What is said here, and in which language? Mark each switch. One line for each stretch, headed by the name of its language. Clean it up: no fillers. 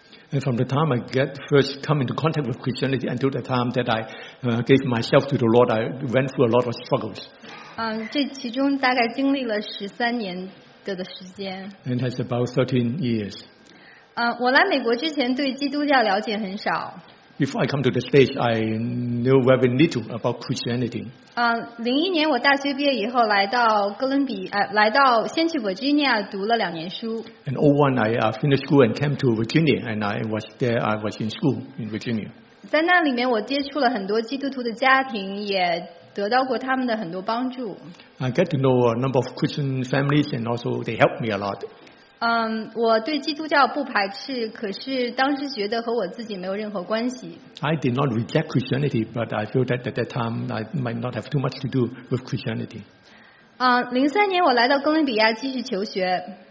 English: And from the time I get first come into contact with Christianity until the time that I gave myself to the Lord, I went through a lot of struggles.
Chinese: 这其中大概经历了13年的时间。
English: And that's about 13 years.
Chinese: 我来美国之前对基督教了解很少。
English: Before I come to the States, I knew very little about Christianity.
Chinese: 2001年我大学毕业以后来到哥伦比来到先去 Virginia 读了两年书。
English: In 2001, I finished school and came to Virginia, and I was there. I was in school in Virginia.
Chinese: 在那里面，我接触了很多基督徒的家庭，也得到过他们的很多帮助。
English: I get to know a number of Christian families, and also they helped me a lot.
Chinese: 我对基督教不排斥，可是当时觉得和我自己没有任何关系。
English: I did not reject Christianity, but I feel that at that time I might not have too much to do with Christianity.
Chinese: 2003年我来到哥伦比亚继续求学。